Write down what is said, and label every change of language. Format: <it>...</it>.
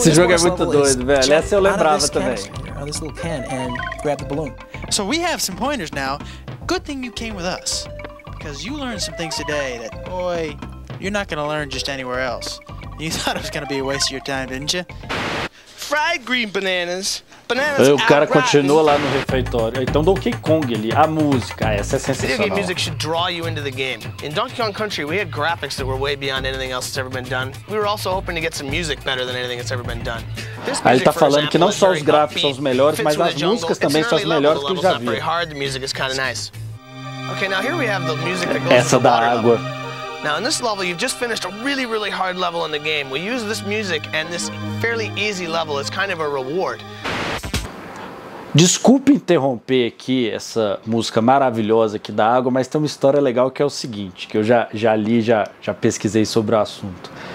<pt>is. Esse jogo é muito doido, velho. Essa eu lembrava também.</pt> <en>Out of this little can and grab the balloon. So we have some pointers now. Good thing you came with us, because you learned some things today that, boy, you're not gonna learn just anywhere else. You thought it was gonna be a waste of your time, didn't you? Fried green bananas. Bananas.</en> <pt>O cara continua lá no refeitório. Então Donkey Kong ali, a música, essa é sensacional.</pt> <en>Video game music should draw you into the game. In Donkey Kong Country, we had graphics that were way beyond anything else that's ever been done. We were also hoping to get some music better than anything that's ever been done.</en> <pt>Aí ele tá falando que não só os gráficos são os melhores, mas as músicas também são as melhores que ele já viu.</pt> <en>The music is kind of nice. Okay, now here we have the music that goes.</en> <pt>Essa da água.</pt> <en>Now in this level, you've just finished a really, really hard level in the game. We use this music and this fairly easy level as kind of a reward.</en> <pt>Desculpe interromper aqui essa música maravilhosa aqui da água, mas tem uma história legal que é o seguinte, que eu já li, já pesquisei sobre o assunto.</pt>